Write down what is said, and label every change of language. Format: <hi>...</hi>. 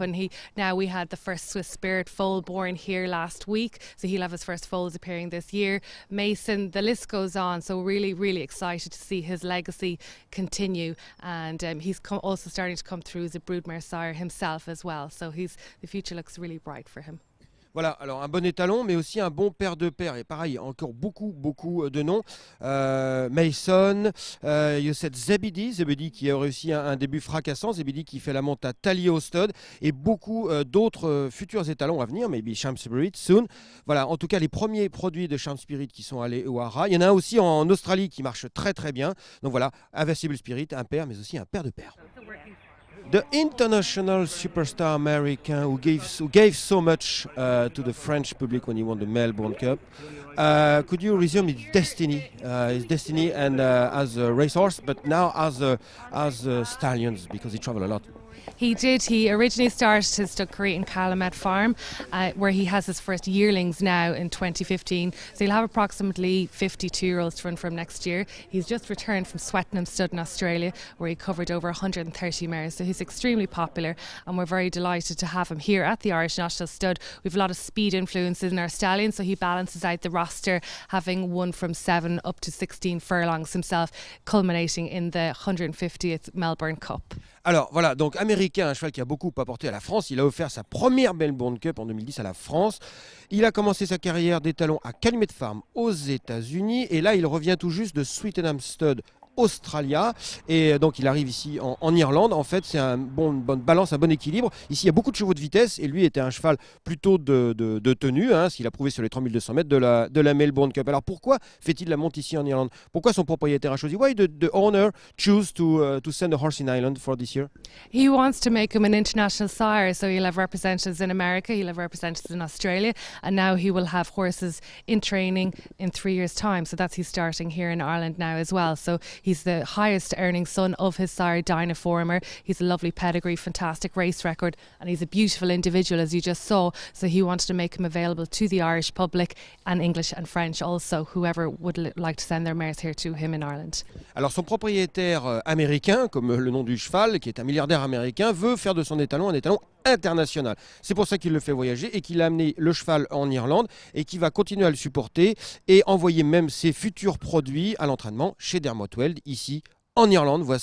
<en>And he now we had the first Swiss Spirit foal born here last week. So he'll have his first foals appearing this year. Mason, the list goes on. So really, really excited to see his legacy continue. And he's also starting to come through as a broodmare sire himself as well. So the future looks really bright for him.</en> <fr>Voilà, alors un bon étalon, mais aussi un bon paire de paires. Et pareil, encore beaucoup, beaucoup de noms. Mason,</fr> <en>you said</en> <fr>Zebedee qui a réussi un début fracassant. Zebedee qui fait la monte à Talio Stud. Et beaucoup d'autres futurs étalons à venir,</fr> <en>maybe</en> <fr>Charm Spirit soon. Voilà, en tout cas, les premiers produits de Charm Spirit qui sont allés au Hara. Il y en a un aussi en Australie qui marche très, très bien. Donc voilà, Invincible Spirit, un paire, mais aussi un paire de paires.</fr> <en>The international superstar American who gave so much to the French public when he won the Melbourne Cup. Could you resume his destiny and as a racehorse, but now as stallions, because he traveled a lot? He did. He originally started his stud career in Calumet Farm, where he has his first yearlings now in 2015. So he'll have approximately 52-year-olds to run from next year. He's just returned from Swettenham Stud in Australia, where he covered over 130 mares. So he's extremely popular, and we're very delighted to have him here at the Irish National Stud. We have a lot of speed influences in our stallions, so he balances out the roster, having won from 7 up to 16 furlongs himself, culminating in the 150th Melbourne Cup.</en> <fr>Alors voilà, donc américain, un cheval qui a beaucoup apporté à la France. Il a offert sa première Melbourne Cup en 2010 à la France. Il a commencé sa carrière d'étalon à Calumet Farm aux États-Unis. Et là, il revient tout juste de Swettenham Stud, Australia. Et donc, il arrive ici en Irlande. En fait, c'est une bonne balance, un bon équilibre. Ici, il y a beaucoup de chevaux de vitesse. Et lui était un cheval plutôt de tenue, hein, ce qu'il a prouvé sur les 3200 mètres de la Melbourne Cup. Alors, pourquoi fait-il la monte ici en Irlande? Pourquoi son propriétaire a choisi?</fr> <en>Why did the owner choose to send a horse in Ireland for this year? He wants to make him an international sire. So he'll have representatives in America, he'll have representatives in Australia. And now he will have horses in training in 3 years' time. So that's he's starting here in Ireland now as well. So He's the highest earning son of his sire, Dynaformer. He's a lovely pedigree, fantastic race record, and he's a beautiful individual, as you just saw. So he wanted to make him available to the Irish public and English and French also, whoever would like to send their mares here to him in Ireland.</en> <fr>Alors son propriétaire américain, comme le nom du cheval, qui est un milliardaire américain, veut faire de son étalon un étalon international. C'est pour ça qu'il le fait voyager et qu'il a amené le cheval en Irlande et qu'il va continuer à le supporter et envoyer même ses futurs produits à l'entraînement chez Dermotweld ici en Irlande.</fr>